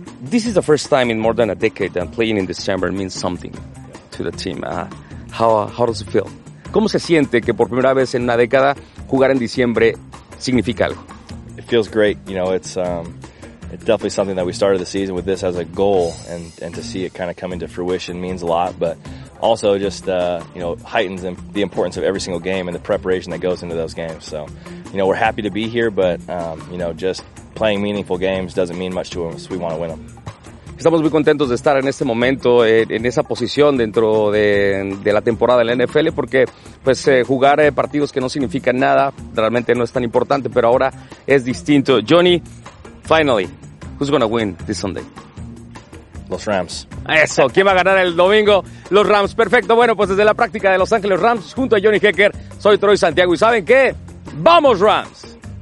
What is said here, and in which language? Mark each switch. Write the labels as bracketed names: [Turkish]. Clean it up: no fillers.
[English] This is the first time in more than a decade that playing in December means something to the team. How does it feel? [Spanish] ¿Cómo se siente que por primera vez en una década jugar en diciembre significa algo? [English] It feels great. You know, it's definitely something that we started the season with this as a goal, and to see it kind of come into fruition means a lot, but also just, heightens the importance of every single game and the preparation that goes into those games. So, you know, we're happy to be here, but, just playing meaningful games doesn't mean much to us. We want to win them. [Spanish] Estamos muy contentos de estar en este momento, en esa posición dentro de la temporada de la NFL, porque pues jugar partidos que no significan nada realmente no es tan importante, pero ahora es distinto. [English] Johnny, finally, who's going to win this Sunday? [Spanish] Los Rams. Eso, ¿quién va a ganar el domingo? Los Rams, perfecto. Bueno, pues desde la práctica de Los Angeles Rams, junto a Johnny Hecker, soy Troy Santiago. ¿Y saben qué? ¡Vamos, Rams!